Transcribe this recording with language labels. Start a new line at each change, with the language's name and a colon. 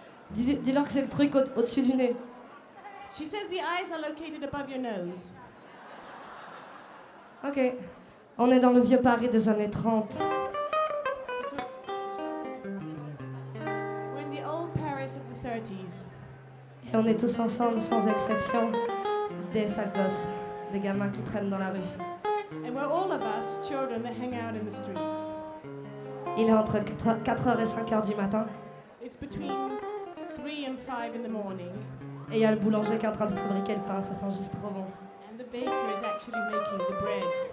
French: Dis-leur que c'est le truc au-dessus du nez.
English: She says the eyes are located above your nose. Ok.
French: On est dans le vieux Paris des années 30.
English: We're in the old Paris of the 30s.
French: Et on est tous ensemble, sans exception, des sales gosses, des gamins qui traînent dans la rue.
English: And we're all of us children that hang out in the streets.
French: Il est entre 4h et 5h du matin.
English: It's between 3 and 5 in the morning.
French: Et il y a le boulanger qui est en train de fabriquer le pain, ça sent juste trop bon.
English: And the baker is actually making the bread.